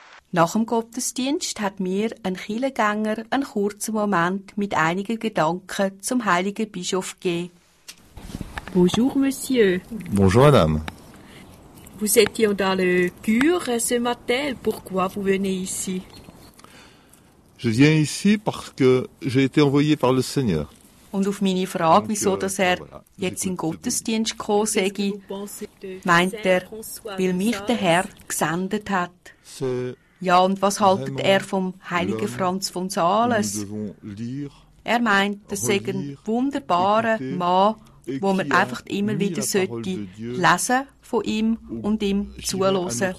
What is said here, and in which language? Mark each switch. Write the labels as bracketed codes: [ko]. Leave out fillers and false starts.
[de] Nach dem Gottesdienst hat mir ein Kirchengänger einen kurzen Moment mit einigen Gedanken zum heiligen Bischof gegeben. [fr] Bonjour, Monsieur. Bonjour, Madame. Vous étiez dans le cure ce matin. Pourquoi vous venez ici? Je viens ici parce que j'ai été envoyé par le Seigneur. [de] Und auf meine Frage, wieso dass er jetzt in den Gottesdienst gekommen sei, meint er, weil mich der Herr gesendet hat. Ja, und was haltet er vom heiligen Franz von Sales? Er meint, das sei ein wunderbarer Mann, wo man einfach immer wieder sollte lesen von ihm und ihm zuhören.